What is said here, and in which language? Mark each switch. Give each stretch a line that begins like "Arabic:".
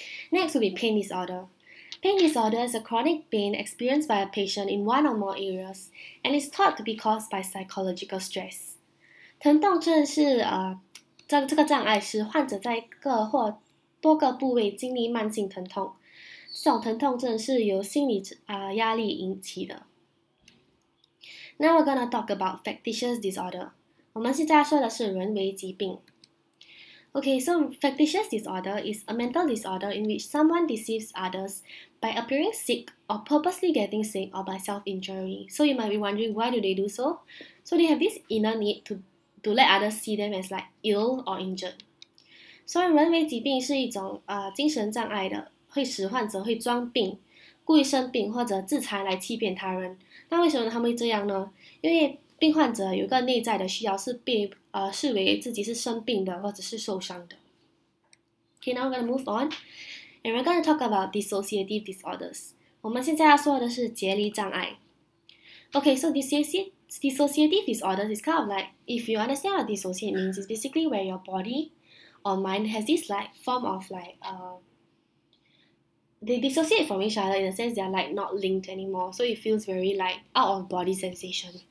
English: Next will be pain disorder. Pain disorder is a chronic pain experienced by a patient in one or more areas, and is thought to be caused by psychological stress.
Chinese: 疼痛症是这个障碍是患者在一个或多个部位经历慢性疼痛，这种疼痛症是由心理压力引起的。
English: Now we're going to talk about factitious disorder.
Chinese: 我们现在说的是人为疾病。
English: Okay, so factitious disorder is a mental disorder in which someone deceives others by appearing sick or purposely getting sick or by self-injury. So you might be wondering, why do they do so? So they have this inner need to let others see them as like ill or injured.
Chinese: 所以人为疾病是一种精神障碍的，会使患者会装病，故意生病或者自残来欺骗他人。那为什么他们会这样呢？因为病患者有一个内在的需要是被视为自己是生病的或者是受伤的。
English: Okay, now we're going to move on. And we're going to talk about dissociative disorders.
Chinese: 我们现在要说的是解离障碍。
English: Okay, so dissociative disorders is kind of like, if you understand what dissociate means, it's basically where your body or mind has this like form of like, they dissociate from each other in the sense they are like not linked anymore, so it feels very like out of body sensation.